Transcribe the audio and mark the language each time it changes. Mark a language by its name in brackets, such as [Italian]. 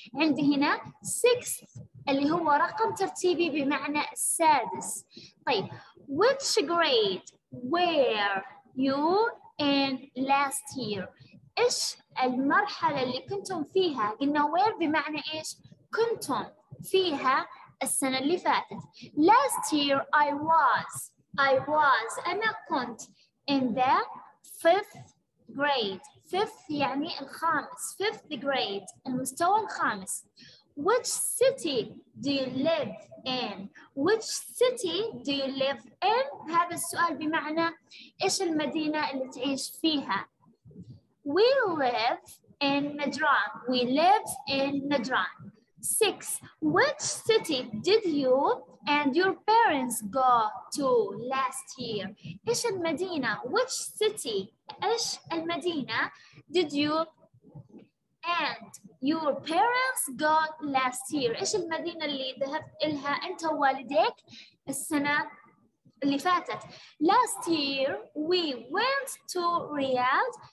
[Arabic] عندي هنا sixth اللي هو رقم ترتيبي بمعنى السادس. طيب [English] which grade were you in last year؟ [Arabic] إيش المرحلة اللي كنتم فيها؟ قلنا where بمعنى إيش؟ كنتم فيها السنة اللي فاتت. [English] Last year I was [Arabic] أنا كنت [English] in the fifth grade. [Arabic] Fifth يعني الخامس. [English] Fifth grade [Arabic] المستوى الخامس. [English] Which city do you live in? Which city do you live in؟ [Arabic] هذا السؤال بمعنى إيش المدينة اللي تعيش فيها؟ [English] We live in Najran. We live in Najran. Six. Which city did you and your parents go to last year? [Arabic] إيش المدينة؟ [English] Which city؟ [Arabic] إيش المدينة [English] did you and your parents got last year. [Arabic] إيش المدينة اللي ذهبت إلها أنت ووالديك السنة اللي فاتت؟ [English] Last year we went to Riyadh.